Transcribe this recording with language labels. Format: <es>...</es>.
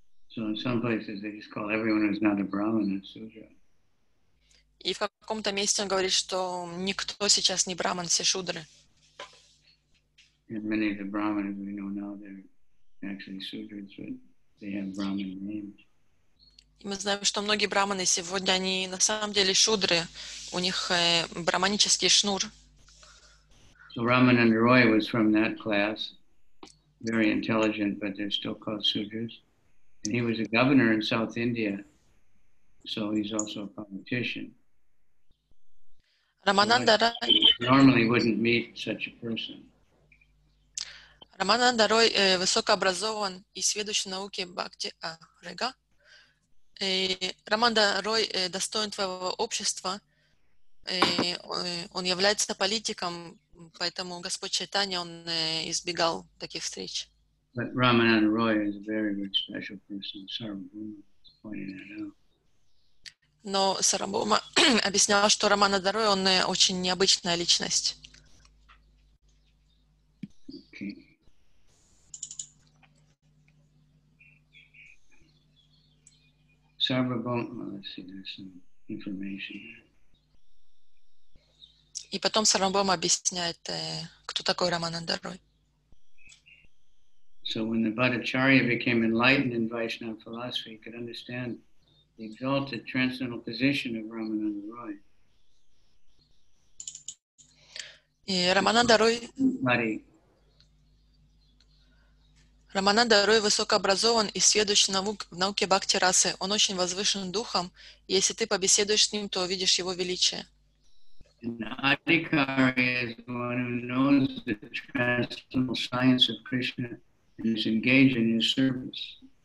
<en>So in some places they just call everyone who's not a brahmin a sudra.</en> <ru>И в каком-то месте он говорит, что никто сейчас не брахман, все шудры.</ru> <en>And many of the brahmins we know now they're actually sudras, but they have brahmin names.</en> <ru>И мы знаем, что многие брахманы сегодня они на самом деле шудры, у них брахманический шнур.</ru> <en>So Ramananda Roy was from that class, very intelligent, but they're still called sudras. And he was a governor in South India, so he's also a politician. Ramananda Roy normally wouldn't meet such a person.</en> <ru>Ramananda Roy высокообразован и сведущ в науке бхакти рега. Ramananda Roy достоин твоего общества. Он является политиком. Поэтому Господь Чайтанья, он избегал таких встреч.</ru> <en>But Ramananda Roy is a very, very special person. Sarabhuma is pointing that out.</en> <ru>Но Сарабхума объяснял, что Ramananda Roy, он очень необычная личность.</ru> <en>Okay. Sarabhuma, let's see, there's some information there.</en> <ru>И потом Сарабхума объясняет, кто такой Рамананда Рой.</ru> <en>So when the Bhattacharya became enlightened in Vaishnava philosophy, he could understand the exalted transcendental position of Ramananda Roy.</en> <ru>И Рамананда Рой. Мари. Рамананда Рой высокообразован и сведущ в науке бхакти расы. Он очень возвышен духом, и если ты побеседуешь с ним, то увидишь его величие.</ru> <en>And Adhikari is one who knows the transcendental science of Krishna and is engaged in his service.</en>